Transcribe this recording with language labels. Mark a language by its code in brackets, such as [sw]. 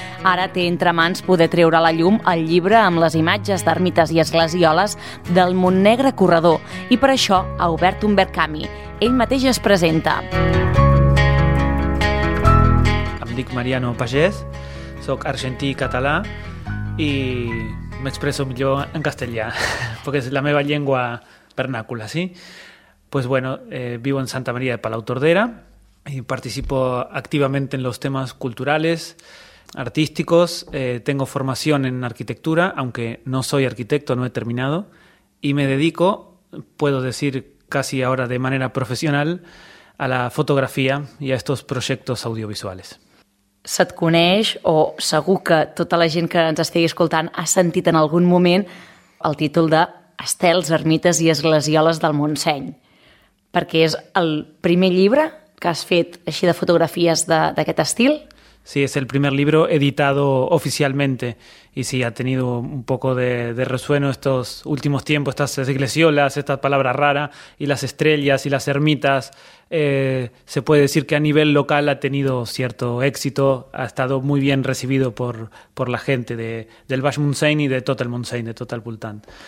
[ca] Ara té entre mans poder treure a la llum el llibre amb les imatges d'ermites i esglesioles del Montnegre Corredor i per això ha obert un verbcami. Ell mateix es presenta. Em dic Mariano Pagès, soc argentí català i m'expresso millor en castellà, perquè és la meva llengua vernàcula, sí? [es] Pues bueno, vivo en Santa María de Palautordera y participo activamente en los temas culturales, artísticos. Tengo formación en arquitectura, aunque no soy arquitecto, no he terminado. Y me dedico, puedo decir casi ahora de manera profesional, a la fotografía y a estos proyectos audiovisuales. [ca] Se't coneix o segur que tota la gent que ens estigui escoltant ha sentit en algun moment el títol de Estels, ermites i esglesioles del Montseny, perquè és el primer llibre que has fet així de fotografies d'aquest estil? [es] Sí, es el primer libro editado oficialmente y sí, ha tenido un poco de resueno estos últimos tiempos, estas esglesiolas, esta palabra rara y las estrellas y las ermitas. Se puede decir que a nivel local ha tenido cierto éxito, ha estado muy bien recibido por la gente del Baix Montseny y [ca] de tot el Montseny, de tot el voltant.